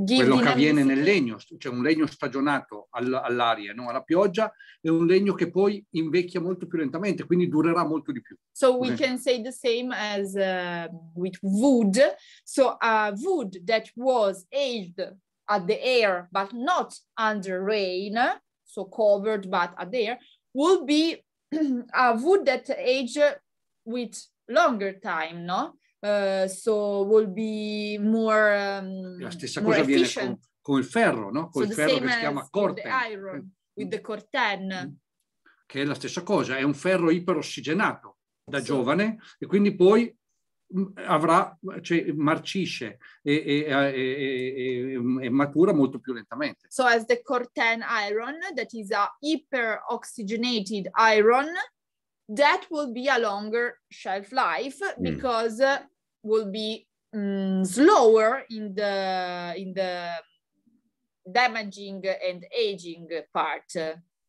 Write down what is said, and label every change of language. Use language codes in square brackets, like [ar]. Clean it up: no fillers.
[it] Quello che avviene nel legno, cioè un legno stagionato all'aria, non alla pioggia, è un legno che poi invecchia molto più lentamente, quindi durerà molto di più. [en] So we can say the same as with wood. So a wood that was aged at the air but not under rain, so covered but at the air, will be a wood that aged with longer time, no? So will be more [it] la stessa cosa [en] efficient. [it] Viene con il ferro, no? Con [en] so [it] il ferro che si chiama corten. [en] The iron, with the corten. [it] Che è la stessa cosa, è un ferro iperossigenato da giovane e quindi poi avrà, cioè, marcisce e matura molto più lentamente. [en] So as the corten iron, that is a hyper-oxygenated iron, that will be a longer shelf life because will be slower in the damaging and aging part.